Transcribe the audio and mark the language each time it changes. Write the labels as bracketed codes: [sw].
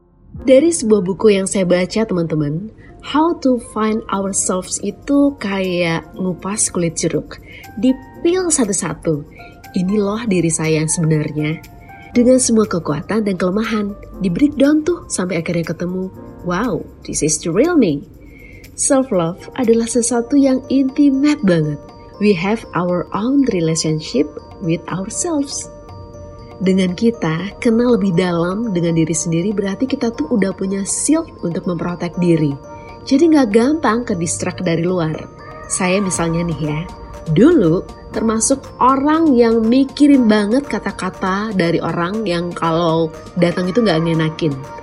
[id] Dari sebuah buku yang saya baca, teman-teman, How to Find Ourselves itu kayak ngupas kulit jeruk. Dipil satu-satu. Ini loh diri saya yang sebenarnya. Dengan semua kekuatan dan kelemahan, di-breakdown tuh sampai akhirnya ketemu, wow, this is the real me. Self-love adalah sesuatu yang intimate banget. [en] We have our own relationship with ourselves. [id] Dengan kita kenal lebih dalam dengan diri sendiri berarti kita tuh udah punya shield untuk memprotek diri. Jadi gak gampang ke-distract dari luar. Saya misalnya nih ya, dulu termasuk orang yang mikirin banget kata-kata dari orang yang kalau datang itu gak ngenakin.